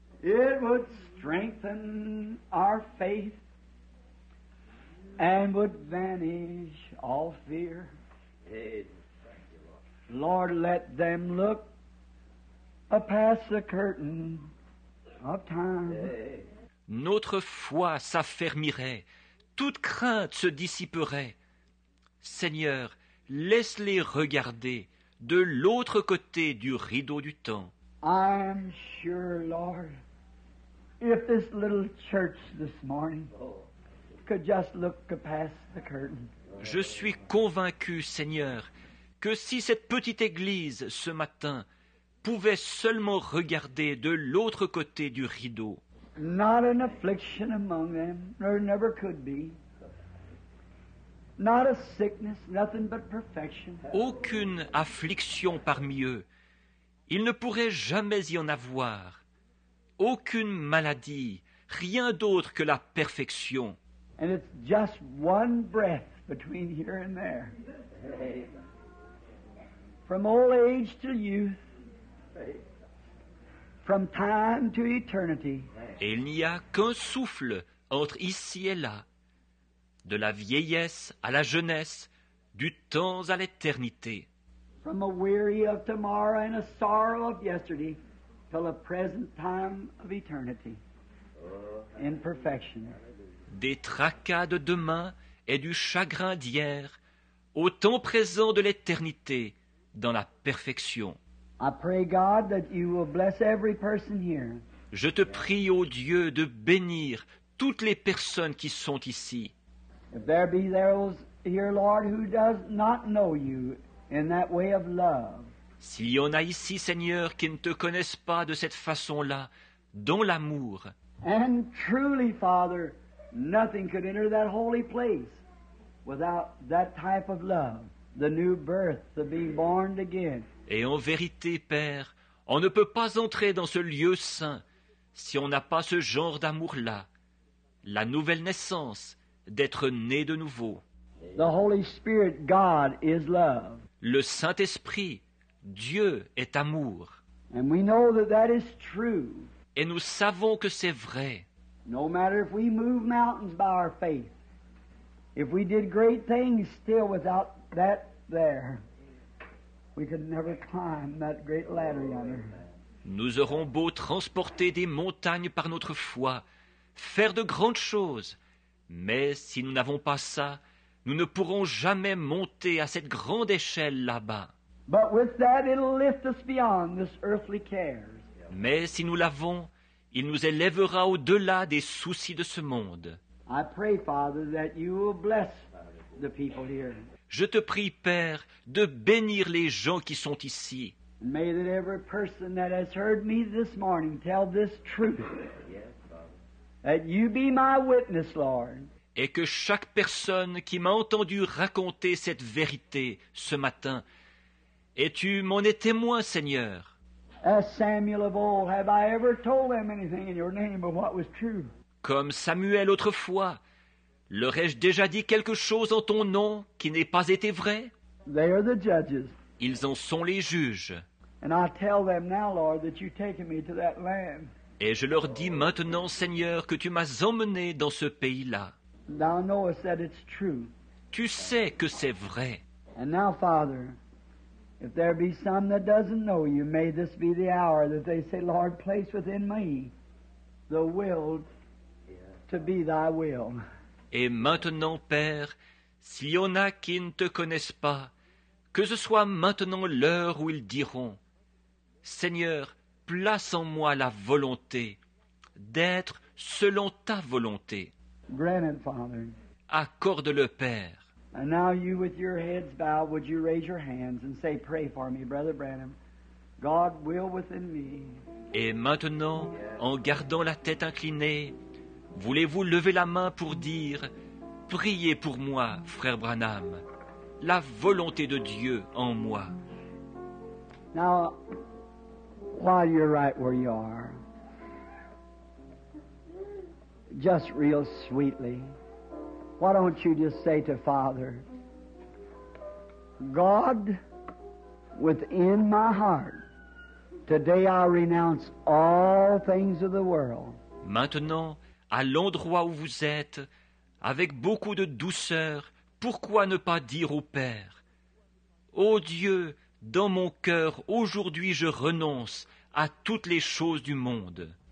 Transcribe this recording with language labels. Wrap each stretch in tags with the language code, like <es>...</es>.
<en>It would strengthen our faith and would vanish all fear. Lord, let them look past the curtain of time.</en> <fr>Notre foi s'affermirait, toute crainte se dissiperait. Seigneur, laisse-les regarder de l'autre côté du rideau du temps.</fr> <en>I'm sure, Lord, if this little church this morning could just look past the curtain.</en> <fr>Je suis convaincu, Seigneur, que si cette petite église ce matin pouvait seulement regarder de l'autre côté du rideau.</fr> <en>Not an affliction among them, or never could be. Not a sickness, nothing but perfection.</en> <fr>Aucune affliction parmi eux. Il ne pourrait jamais y en avoir. Aucune maladie, rien d'autre que la perfection.</fr> <en>And it's just one breath between here and there. From old age to youth. From time to eternity.</en> <fr>Et il n'y a qu'un souffle entre ici et là, de la vieillesse à la jeunesse, du temps à l'éternité.</fr> <en>From a weary of tomorrow and a sorrow of yesterday to the present time of eternity in perfection.</en> <fr>Des tracas de demain et du chagrin d'hier au temps présent de l'éternité dans la perfection.</fr> <en>I pray God that you will bless every person here.</en> <fr>Je te prie, ô Dieu, de bénir toutes les personnes qui sont ici.</fr> <en>If there be those here, Lord, who does not know you in that way of love.</en> <fr>S'il y en a ici, Seigneur, qui ne te connaissent pas de cette façon-là, dans l'amour.</fr> <en>And truly, Father, nothing could enter that holy place without that type of love, the new birth, the being born again.</en> <fr>Et en vérité, Père, on ne peut pas entrer dans ce lieu saint si on n'a pas ce genre d'amour-là, la nouvelle naissance, d'être né de nouveau.</fr> <en>The Holy Spirit, God, is love.</en> <fr>Le Saint-Esprit, Dieu, est amour.</fr> <en>And we know that that is true.</en> <fr>Et nous savons que c'est vrai.</fr> <en>No matter if we move mountains by our faith, if we did great things still without that there, we could never climb that great ladder yonder.</en> <fr>Nous aurons beau transporter des montagnes par notre foi, faire de grandes choses, mais si nous n'avons pas ça, nous ne pourrons jamais monter à cette grande échelle là-bas.</fr> <en>But with that, it'll lift us beyond this earthly cares.</en> <fr>Mais si nous l'avons, il nous élèvera au-delà des soucis de ce monde.</fr> <en>I pray, Father, that you will bless the people here.</en> <fr>Je te prie, Père, de bénir les gens qui sont ici.</fr> <en>May that every person that has heard me this morning tell this truth. That you be my witness, Lord.</en> <fr>Et que chaque personne qui m'a entendu raconter cette vérité ce matin, es-tu mon témoin, Seigneur?</fr> <en>As Samuel of old, have I ever told them anything in your name of what was true?</en> <fr>Comme Samuel autrefois, leur ai-je déjà dit quelque chose en ton nom qui n'ait pas été vrai?</fr> <en>They are the judges.</en> <fr>Ils en sont les juges.</fr> <en>And I tell them now, Lord, that you've taken me to that land.</en> <fr>Et je leur dis maintenant, Seigneur, que tu m'as emmené dans ce pays-là.</fr> <en>Thou knowest that it's true.</en> <fr>Tu sais que c'est vrai.</fr> <en>And now, Father, if there be some that doesn't know you, may this be the hour that they say, Lord, place within me the will to be thy will.</en> <fr>Et maintenant, Père, s'il y en a qui ne te connaissent pas, que ce soit maintenant l'heure où ils diront, Seigneur, place en moi la volonté d'être selon ta volonté.</fr> <en>Grant it, Father.</en> <fr>Accorde-le, Père.</fr> <en>And now you with your heads bowed, would you raise your hands and say, pray for me, Brother Branham. God will within me.</en> <fr>Et maintenant, en gardant la tête inclinée, voulez-vous lever la main pour dire, priez pour moi, Frère Branham, la volonté de Dieu en moi.</fr> <en>Now, while you're right where you are, just real sweetly, why don't you just say to Father, God, within my heart, today I renounce all things of the world.</en> <fr>Maintenant, à l'endroit où vous êtes, avec beaucoup de douceur, pourquoi ne pas dire au Père, ô Dieu, dans mon cœur, aujourd'hui je renonce à toutes les choses du monde.</fr>